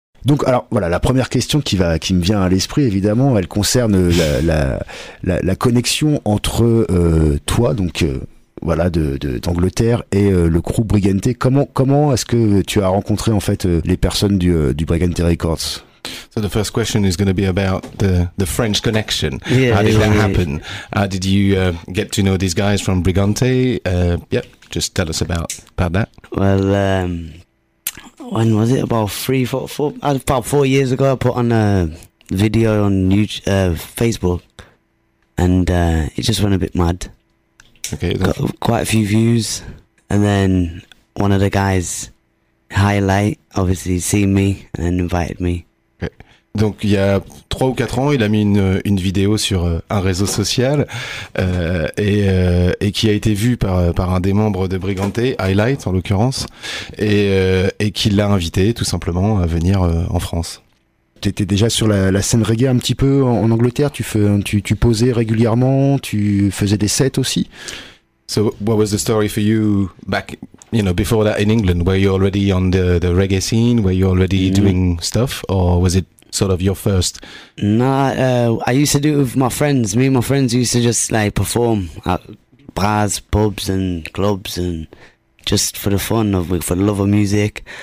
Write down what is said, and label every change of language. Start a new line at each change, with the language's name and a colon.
French: Donc alors voilà, la première question qui me vient à l'esprit, évidemment, elle concerne la connexion entre toi, donc voilà, d'Angleterre et le crew Brigante. Comment est-ce que tu as rencontré en fait les personnes du Brigante Records?
English: So the first question is going to be about the French connection. Yeah, how did that happen? How did you get to know these guys from Brigante? Just tell us about that. Well, when was it? About four years ago, I put on a video on YouTube, Facebook, and it just went a bit mad. Okay. Got quite a few views, and then one of the guys, Highlight, obviously seen me and invited me. Okay.
French: Donc il y a 3 ou 4 ans, il a mis une vidéo sur un réseau social et qui a été vue par un des membres de Brigante, Highlight en l'occurrence, et qui l'a invité tout simplement à venir en France. T'étais déjà sur la scène reggae un petit peu en Angleterre, tu posais régulièrement, tu faisais des sets aussi.
English: So what was the story for you back, you know, before that in England? Were you already on the reggae scene? Were you already doing stuff, or was it sort of your first? I used to do it with my friends. Me and my friends used to just like perform at bars, pubs and clubs, and just for the fun of, for the love of music.